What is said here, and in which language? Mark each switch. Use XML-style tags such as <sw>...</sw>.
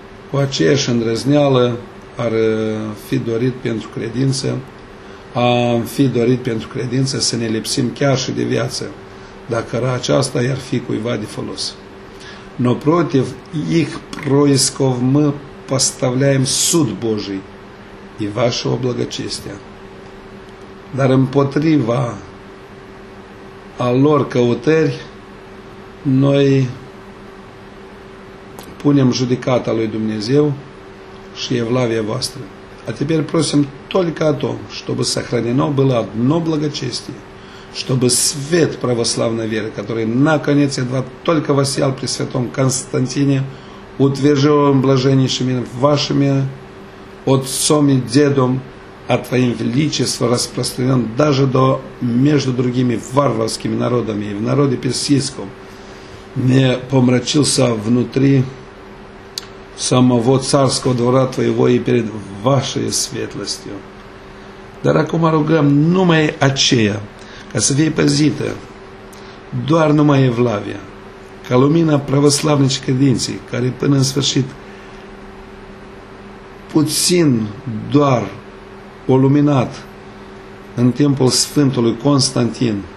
<ro>Cu aceeași îndrăzneală ar fi dorit pentru credință, am fi dorit pentru credință să ne lipsim chiar și de viață, dacă aceasta i-ar fi cuiva de folos.</ro> <ru>Но против их происков мы поставляем суд Божий и вашего благочестия.</ru> <ro>Dar împotriva a lor căutări, noi punem judecata lui Dumnezeu și evlavia voastră.</ro> <ru>А теперь просим только о том, чтобы сохранено было одно благочестие, чтобы свет православной веры, который наконец едва только воссиял при святом Константине, утвержил им блаженнейшими вашими отцом и дедом, а твоим величеством распространен даже до между другими варварскими народами и в народе персидском, не помрачился внутри самого царского двора твоего и перед вашей светлостью.</ru> <ro>Dar acum rugăm numai aceea, ca să fie păzită, doar numai evlavia, ca lumina pravoslavnicii credinței, care până în sfârșit puțin doar o luminat în timpul Sfântului Constantin,</ro>